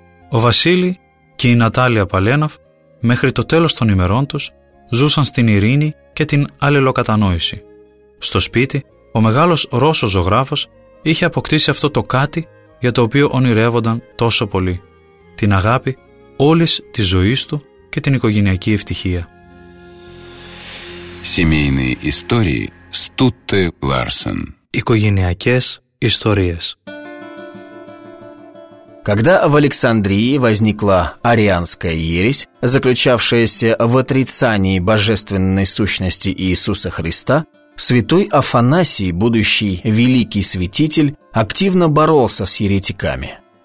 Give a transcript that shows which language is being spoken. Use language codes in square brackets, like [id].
[el] Ο Василий και η Наталья Поленовы μέχρι το τέλος των ημερών τους ζούσαν στην ειρήνη και την αλληλοκατανόηση. Στο σπίτι, ο μεγάλος Ρώσος ζωγράφος είχε αποκτήσει αυτό το κάτι για το οποίο ονειρεύονταν τόσο πολύ. Την αγάπη όλης της ζωής του και την οικογενειακή ευτυχία. [ru] Семейные истории Стутте Ларсен. [el] Οικογενειακές ιστορίες. [ru] Когда в Александрии возникла арианская ересь, заключавшаяся в отрицании божественной сущности Иисуса Христа, святой Афанасий, будущий великий святитель, активно боролся с еретиками.